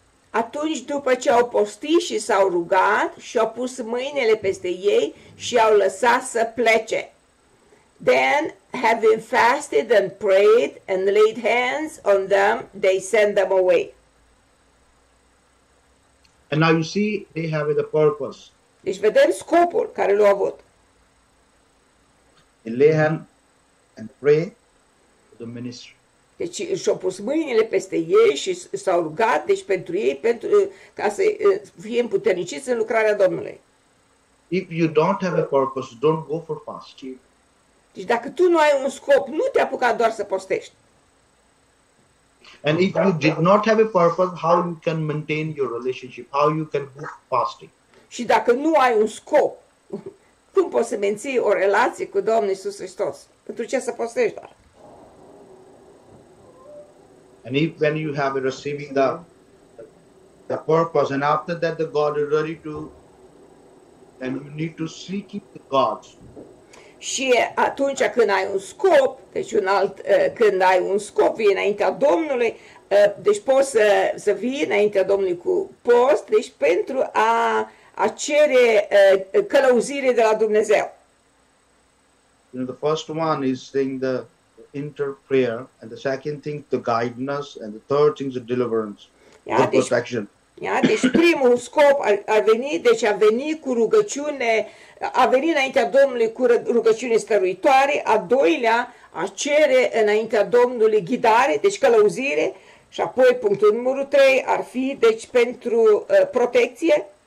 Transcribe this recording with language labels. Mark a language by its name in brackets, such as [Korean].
[Romanian] Atunci după ce au postit și s-au rugat și au pus mâinile peste ei și au lăsat să plece. [English] Then, having fasted and prayed and laid hands on them, they sent them away. And now you see, they have the purpose. [Romanian] Deci vedem scopul care l-a avut. [English] They lay hand and pray for the ministry. [Romanian] Deci și-au pus mâinile peste ei și s-au rugat, deci pentru ei, pentru ca să fie împuterniciți în lucrarea Domnului. [English] If you don't have a purpose, don't go for fasting. [Romanian] Deci dacă tu nu ai un scop, nu te apuca doar să postești. [English] And if you did not have a purpose, how you can maintain your relationship? How you can go fasting? [Romanian] Și dacă nu ai un scop, cum poți să menții o relație cu Domnul Iisus Hristos? Pentru ce să postești doar? [English] And if when you have receiving the purpose and after that the God is ready to, then you need to seek the God. [Romanian] Și atunci când ai un scop, deci un alt, când ai un scop, vii înaintea Domnului, deci poți să vii înaintea Domnului cu post, deci pentru a cere călăuzire de la Dumnezeu. [English] You know, the first one is saying the inter prayer and the second thing the guidance and the third thing the deliverance, yeah, the protection. [Romanian] Deci primul scop a venit cu rugăciune, a venit înaintea Domnului cu rugăciune stăruitoare, a doilea a cere înaintea Domnului ghidare, deci călăuzire, și apoi punctul numărul 3 ar fi deci pentru protecție.